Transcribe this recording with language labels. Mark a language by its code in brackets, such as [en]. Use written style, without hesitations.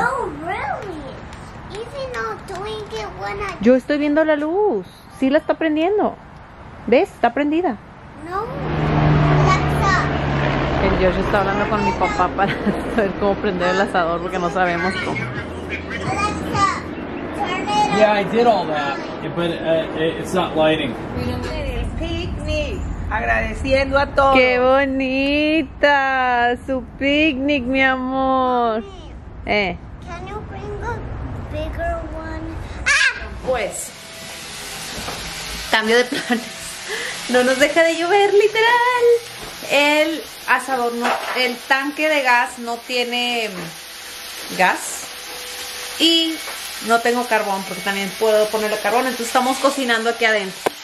[en] No, really. Is it not doing it when I... [es] Yo estoy viendo la luz. Sí la está prendiendo. ¿Ves? Está prendida. [en] No. Alexa. [es] El George está hablando con mi papá para saber cómo prender el asador porque no sabemos cómo. [en] Alexa, turn it on. Yeah, I did all that, but it's not lighting. [es] Agradeciendo a todos. ¡Qué bonita! Su picnic, mi amor. [en] Can you bring a bigger one? [es] Pues. Cambio de planes. No nos deja de llover, literal. El asador no. El tanque de gas no tiene gas. Y no tengo carbón, porque también puedo ponerle carbón. Entonces estamos cocinando aquí adentro.